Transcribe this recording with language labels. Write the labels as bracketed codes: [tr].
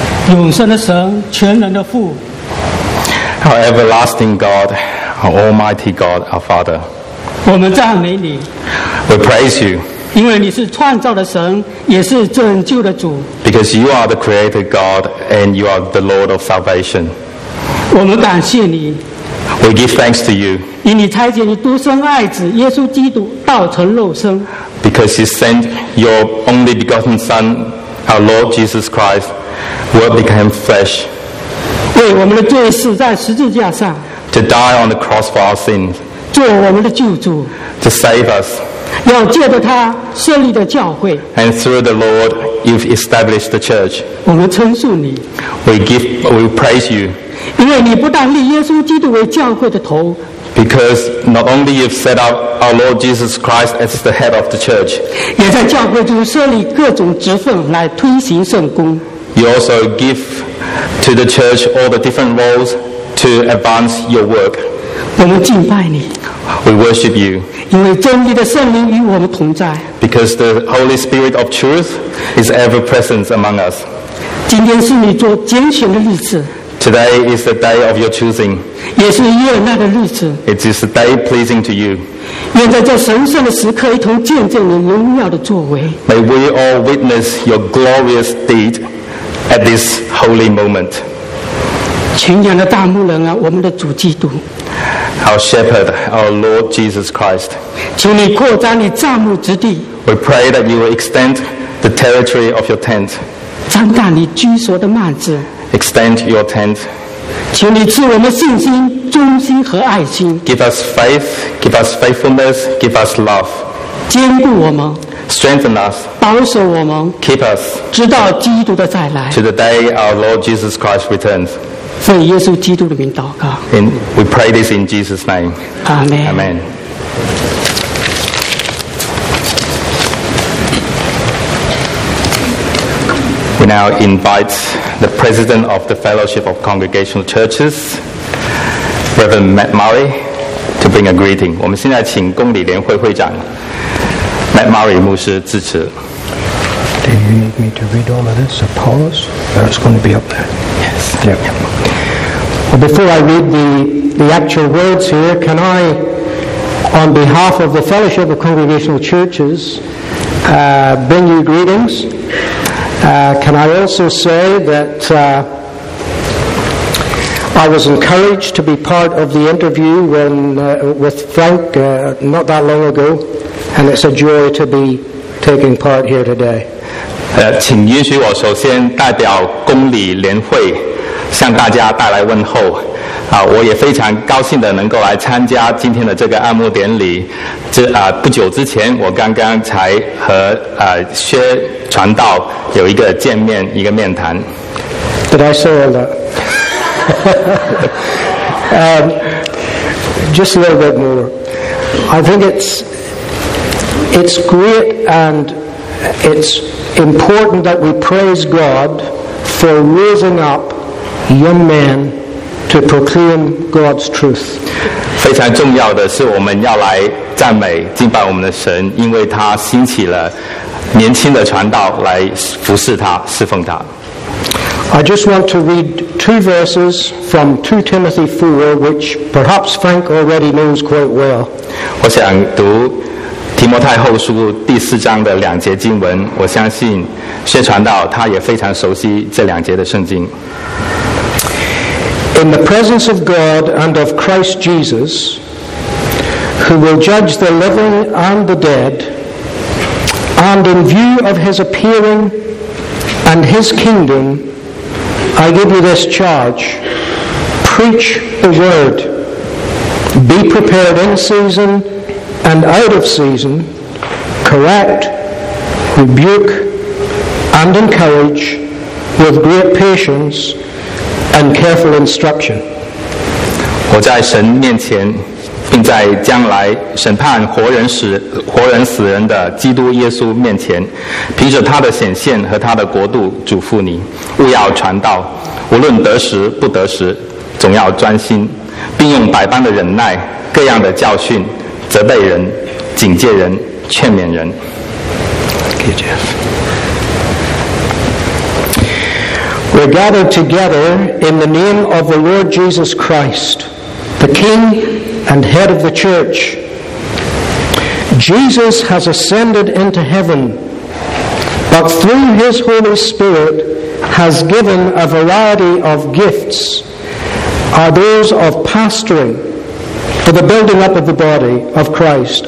[zh] 永生的神，全能的父。 [en] Our everlasting God, our almighty God, our Father. [zh] 我们赞美你。 [en] We praise you. [zh] 因为你是创造的神，也是拯救的主。 [en] Because you are the creator God and you are the Lord of salvation. [zh] 我们感谢你。 [en] We give thanks to you. [zh] 因你差遣你独生爱子耶稣基督道成肉身。 [en] Because you sent your only begotten Son, our Lord Jesus Christ, who became flesh. [zh] 为我们的罪死在十字架上 [en] to die on the cross for our sins [zh] 做我们的救主 [en] to save us [zh] 要借着他设立的教会 [en] and through the Lord you've established the church [zh] 我们称颂你 [en] we praise you [zh] 因为你不但立耶稣基督为教会的头 [en] because not only you've set up our Lord Jesus Christ as the head of the church [zh] 也在教会中设立各种职分来推行圣工 [en] you also giveTo the church, all the different roles to advance your work. [zh] 我们敬拜你。 [en] We worship you. [zh] 因为真理的圣灵与我们同在。 [en] Because the Holy Spirit of truth is ever present among us. [zh] 今天是你做拣选的日子。 [en] Today is the day of your choosing. [zh] 也是悦纳的日子。 [en] It is the day pleasing to you. [zh] 愿在这神圣的时刻一同见证你荣耀的作为。 [en] May we all witness your glorious deed. At this holy moment, [zh] 全羊的大牧人啊，我们的主基督 [en] ，Our Shepherd, our Lord Jesus Christ, [zh] 请你扩张你帐幕之地。 [en] We pray that you will extend the territory of your tent, [zh] 张大你居所的幔子。 [en] Extend your tent, [zh] 请你赐我们信心、忠心和爱心。 [en] Give us faith, give us faithfulness, give us love, [zh] 坚固我们。 [en] Strengthen us. [zh] 保守我们。 [en] Keep us. [zh] 直到基督的再来。 [en] To the day our Lord Jesus Christ returns. [zh] 奉耶稣基督的名祷告。 [en] And we pray this in Jesus' name. Amen. Amen. [zh] 我们 [en] now invite the president of the Fellowship of Congregational Churches, Reverend Matt Murray, to bring a greeting. [zh] 我们现在请公理联会会长。 Matt Murray, 牧师致辞。 [en] Do you need me to read all of this? A pause? That's going to be up there. Yes. There. Well, before I read the actual words here, can I, on behalf of the Fellowship of Congregational Churches, bring you greetings? Can I also say that I was encouraged to be part of the interview with Frank not that long ago? And it's a joy to be taking part here today. [zh] 请允许我首先代表公理联会向大家带来问候。我也非常高兴的能够来参加今天的这个按摩典礼。不久之前，我刚刚才和薛传道有一个见面，一个面谈。 [en] Did I say that? just a little bit more. I think it's great and it's important that we praise God for raising up young men to proclaim God's truth. [zh] 非非常重要的是我们要来赞美敬拜我们的神，因为他兴起了年轻的传道来服侍他侍奉他。 [en] I just want to read two verses from 2 Timothy 4, which perhaps Frank already knows quite well. [zh] 我想读提摩太后书第四章的两节经文，我相信薛传道他也非常熟悉这两节的圣经。 [en] In the presence of God and of Christ Jesus, who will judge the living and the dead, and in view of his appearing and his kingdom,I give you this charge. Preach the word. Be prepared in season and out of season. Correct, rebuke, and encourage with great patience and careful instruction. [zh] 我在神面前，并在将来审判活人死人的基督耶稣面前，凭着他的显现和他的国度嘱咐你，务要传道，无论得时不得时，总要专心，并用百般的忍耐，各样的教训，责备人，警戒人，劝勉人。 [en] We're gathered together in the name of the Lord Jesus Christ, the KingAnd head of the church. Jesus has ascended into heaven, but through his Holy Spirit has given a variety of gifts, are those of pastoring for the building up of the body of Christ.